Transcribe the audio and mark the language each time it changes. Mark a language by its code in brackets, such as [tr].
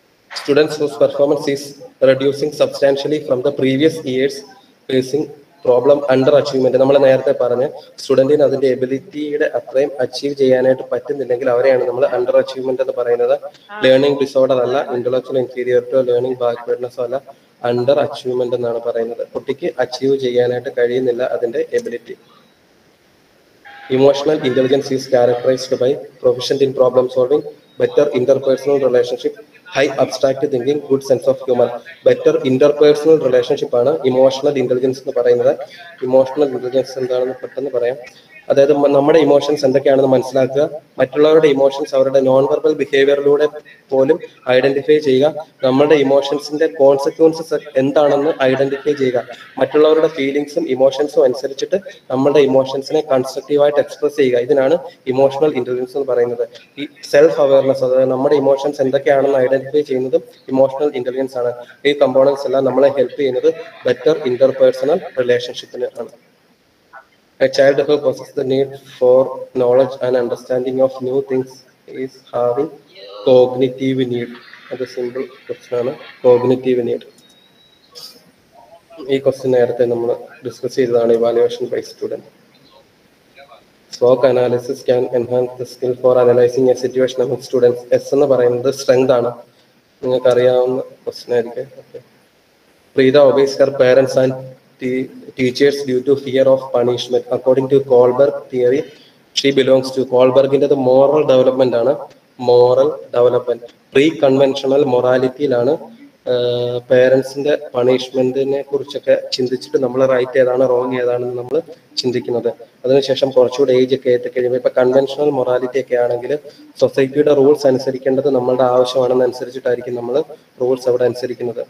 [en] Students whose performance is reducing substantially from the previous years facing problem under achievement. [ml] നമ്മൾ നേരത്തെ പറഞ്ഞ സ്റ്റുഡന്റിന് അതിന്റെ എബിലിറ്റിയുടെ അത്രയും അച്ചീവ് ചെയ്യാനായിട്ട് പറ്റുന്നില്ലെങ്കിൽ അവരെയാണ് നമ്മൾ അണ്ടർ അച്ചീവ്മെന്റ് എന്ന് പറയുന്നത്. ലേണിംഗ് ഡിസോർഡർ അല്ല, ഇന്റലക്ച്വൽ ഇൻഫീരിയോറിറ്റിയോ ലേണിംഗ് ബാക്ക്വേർഡ്നെസോ അല്ല, അണ്ടർ അച്ചീവ്മെന്റ് എന്നാണ് പറയുന്നത്. കുട്ടിക്ക് അച്ചീവ് ചെയ്യാനായിട്ട് കഴിയുന്നില്ല അതിന്റെ ability. [en] Emotional intelligence is characterised by proficient in problem solving, better interpersonal relationship, high abstract thinking, good sense of humour. [ml] Better interpersonal relationship ആണ് ഇമോഷണൽ ഇന്റലിജൻസ് എന്ന് പറയുന്നത്. ഇമോഷണൽ ഇന്റലിജൻസ് എന്താണെന്ന് പെട്ടെന്ന് പറയാം. അതായത് നമ്മുടെ ഇമോഷൻസ് എന്തൊക്കെയാണെന്ന് മനസ്സിലാക്കുക, മറ്റുള്ളവരുടെ ഇമോഷൻസ് അവരുടെ നോൺ വെർബൽ ബിഹേവിയറിലൂടെ പോലും ഐഡന്റിഫൈ ചെയ്യുക, നമ്മളുടെ ഇമോഷൻസിന്റെ കോൺസിക്വൻസസ് എന്താണെന്ന് ഐഡന്റിഫൈ ചെയ്യുക, മറ്റുള്ളവരുടെ ഫീലിംഗ്സും ഇമോഷൻസും അനുസരിച്ചിട്ട് നമ്മളുടെ ഇമോഷൻസിനെ കൺസ്ട്രക്റ്റീവായിട്ട് എക്സ്പ്രസ് ചെയ്യുക, ഇതിനാണ് ഇമോഷണൽ ഇന്റലിജൻസ് എന്ന് പറയുന്നത്. ഈ സെൽഫ് അവയർനെസ്, അതായത് നമ്മുടെ ഇമോഷൻസ് എന്തൊക്കെയാണെന്ന് ഐഡന്റിഫൈ ചെയ്യുന്നതും ഇമോഷണൽ ഇന്റലിജൻസ് ആണ്. ഈ കമ്പോണൻസ് എല്ലാം നമ്മളെ ഹെൽപ്പ് ചെയ്യുന്നത് ബെറ്റർ ഇന്റർപേഴ്സണൽ റിലേഷൻഷിപ്പിന് ആണ്. [en] A child who possesses the need for knowledge and understanding of new things is having cognitive need. That is a simple question, cognitive need. This question we have discussed in evaluation by student. SWOT analysis can enhance the skill for analyzing a situation among students. S is the strength. You can carry on the question. Preeta obeys her parents and teachers due to fear of punishment. According to Kohlberg theory, she belongs to Kohlberg into the moral development. Moral development. Pre-conventional morality ilana [ml] പേരൻസിന്റെ പണിഷ്മെന്റിനെ കുറിച്ചൊക്കെ ചിന്തിച്ചിട്ട് നമ്മൾ right ഏതാണ് wrong ഏതാണെന്ന് നമ്മൾ ചിന്തിക്കുന്നത്. അതിനുശേഷം കുറച്ചുകൂടെ age ഒക്കെ ഏറ്റക്കഴിയുമ്പോൾ ഇപ്പൊ കൺവെൻഷണൽ മൊറാലിറ്റി ഒക്കെ ആണെങ്കിൽ സൊസൈറ്റിയുടെ റൂൾസ് അനുസരിക്കേണ്ടത് നമ്മളുടെ ആവശ്യമാണെന്ന് അനുസരിച്ചിട്ടായിരിക്കും നമ്മൾ റൂൾസ് അവിടെ അനുസരിക്കുന്നത്.